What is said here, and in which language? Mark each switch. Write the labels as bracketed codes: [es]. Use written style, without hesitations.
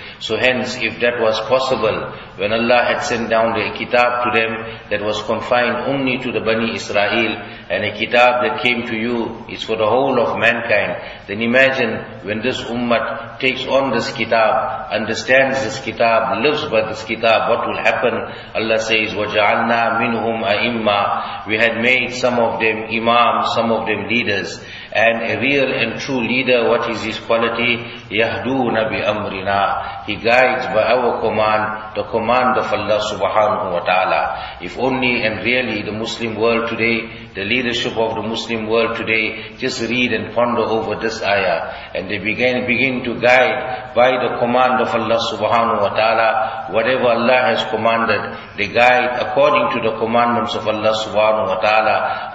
[en] So hence, if that was possible, when Allah had sent down the kitab to them that was confined only to the Bani Israel, and a kitab that came to you is for the whole of mankind, then imagine when this ummah takes on this kitab, understands this kitab, lives by this kitab, what will happen? Allah says, [ar] وَجَعَلْنَا مِنْهُمْ أَئِمَّا. [en] We had made some of them imams, some of them leaders. And a real and true leader, what is his quality? [ar] يَهْدُونَ بِأَمْرِنَا. [en] He guides by our command, the command of Allah subhanahu wa ta'ala. If only and really the Muslim world today, the leadership of the Muslim world today, just read and ponder over this ayah, and they begin to guide by the command of Allah subhanahu wa ta'ala, whatever Allah has commanded, they guide according to the commandments of Allah subhanahu wa ta'ala.